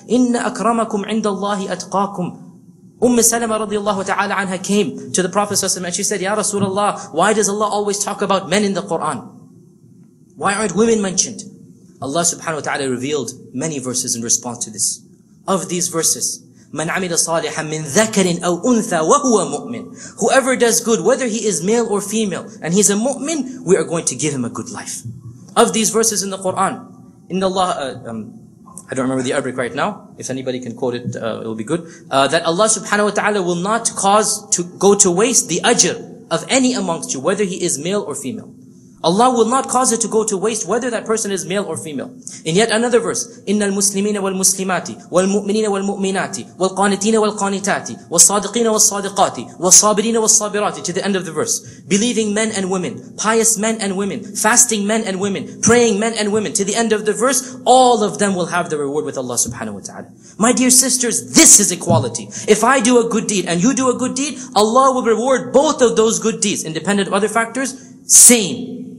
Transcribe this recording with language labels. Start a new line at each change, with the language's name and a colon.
Arabic: إِنَّ أَكْرَمَكُمْ عِنْدَ اللَّهِ أَتْقَاكُمْ.
English: Umm Salama radiallahu ta'ala anha came to the Prophet sallallahu alayhi wa sallam and she said, Ya Rasulullah, why does Allah always talk about men in the Quran? Why aren't women mentioned? Allah subhanahu wa ta'ala revealed many verses in response to this. Of these verses,
Arabic: مَنْ عَمِلَ صَالِحًا مِنْ ذَكَرٍ أَوْ أُنْثَى وَهُوَ مُؤْمِنٍ.
English: Whoever does good, whether he is male or female, and he's a mu'min, we are going to give him a good life. Of these verses in the Quran,
Arabic: إِنَّ اللَّهَ
English: I don't remember the Arabic right now. If anybody can quote it, it will be good. That Allah subhanahu wa ta'ala will not cause to go to waste the ajr of any amongst you, whether he is male or female. Allah will not cause it to go to waste, whether that person is male or female. In yet another verse,
Arabic: إِنَّ الْمُسْلِمِينَ وَالْمُسْلِمَاتِ وَالْمُؤْمِنِينَ وَالْمُؤْمِنَاتِ وَالْقَانِتِينَ وَالْقَانِتَاتِ وَالصَّادِقِينَ وَالصَّادِقَاتِ وَالصَّابِرِينَ وَالصَّابِرَاتِ.
English: To the end of the verse, believing men and women, pious men and women, fasting men and women, praying men and women. To the end of the verse, all of them will have the reward with Allah subhanahu wa ta'ala. My dear sisters, this is equality. If I do a good deed and you do a good deed, Allah will reward both of those good deeds, independent of other factors, same.